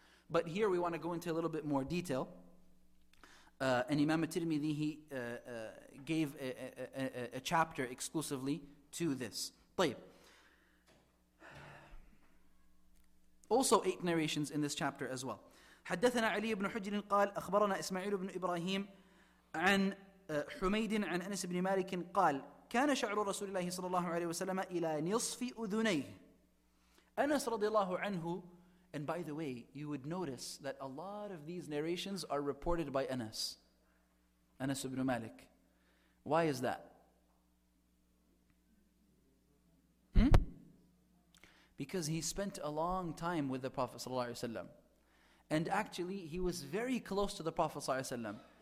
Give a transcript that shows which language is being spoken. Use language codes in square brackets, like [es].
[en] But here we want to go into a little bit more detail. And Imam al-Tirmidhi, he gave a chapter exclusively to this. [ar] طيب. [en] Also 8 narrations in this chapter as well. [ar] حدثنا علي بن حجر قال أخبرنا إسماعيل بن إبراهيم عن حميد عن أنس بن مالك قال كان شعر رسول الله صلى الله عليه وسلم إلى نصف أذنيه. أنس رضي الله عنه. [en] And by the way, you would notice that a lot of these narrations are reported by Anas. Anas ibn Malik. Why is that? Because he spent a long time with the Prophet [ar] صلى الله عليه وسلم. [en] And actually, he was very close to the Prophet ﷺ.